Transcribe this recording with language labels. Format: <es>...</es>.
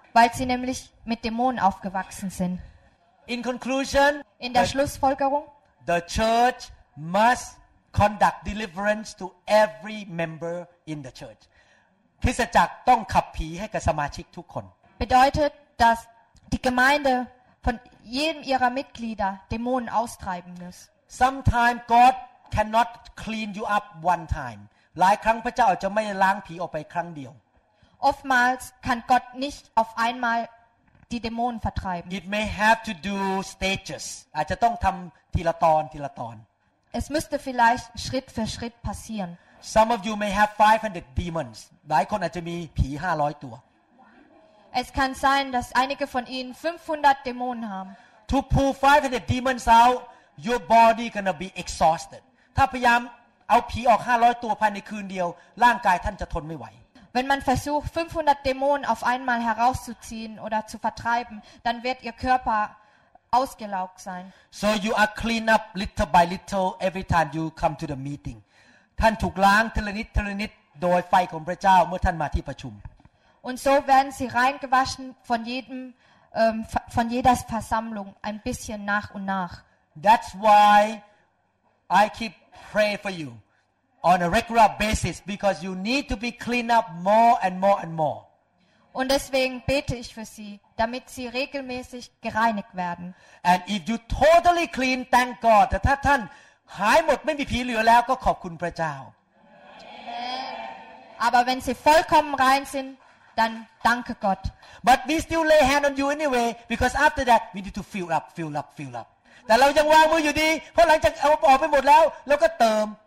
<de>Weil sie nämlich mit Dämonen aufgewachsen sind.</de> <en>In conclusion,</en> <de>in der Schlussfolgerung,</de> <en>the church must conduct deliverance to every member in the church.</en> <th>คริสตจักรต้องขับผีให้กับสมาชิกทุกคน</th> <de>Bedeutet, dass die Gemeinde von jedem ihrer Mitglieder Dämonen austreiben muss.</de> <en>Sometimes God cannot clean you up one time.</en> <th>หลายครั้งพระเจ้าอาจจะไม่ล้างผีออกไปครั้งเดียว</th> <de>Oftmals kann Gott nicht auf einmal die Dämonen vertreiben.</de> <en>It may have to do stages.</en> <th>อาจจะต้องทำทีละตอนทีละตอน</th> <de>Es müsste vielleicht Schritt für Schritt passieren.</de> <en>Some of you may have 500 demons.</en> <th>หลายคนอาจจะมีผี500ตัว</th> <de>Es kann sein, dass einige von ihnen 500 Dämonen haben.</de> <en>To pull 500 demons out, your body gonna be exhausted.</en> <th>ถ้าพยายามเอาผีออก500ตัวภายในคืนเดียวร่างกายท่านจะทนไม่ไหว</th> <de>Wenn man versucht 500 Dämonen auf einmal herauszuziehen oder zu vertreiben, dann wird ihr Körper ausgelaugt sein.</de> <en>So you are clean up little by little every time you come to the meeting.</en> <th>ท่านถูกล้างทีละนิดโดยไฟของพระเจ้าเมื่อท่านมาที่ประชุม</th> <de>Und so werden sie reingewaschen von jedem von jeder Versammlung ein bisschen nach und nach.</de> <en>That's why I keepPray for you on a regular basis because you need to be cleaned up more and more and more.</en> <de>Und deswegen bete ich für Sie, damit Sie regelmäßig gereinigt werden.</de> <en>And if you totally clean, thank God.</en> <th>ถ้าท่านหายหมดไม่มีผีเหลือแล้วก็ขอบคุณพระเจ้า</th> <de>Aber wenn Sie vollkommen rein sind, dann danke Gott.</de> <en>But we still lay hand on you anyway because after that we need to fill up.</en> <th>แต่เรายังวางมืออยู่ดีเพราะหลังจากเอาออกไปหมดแล้วเราก็เติม</th>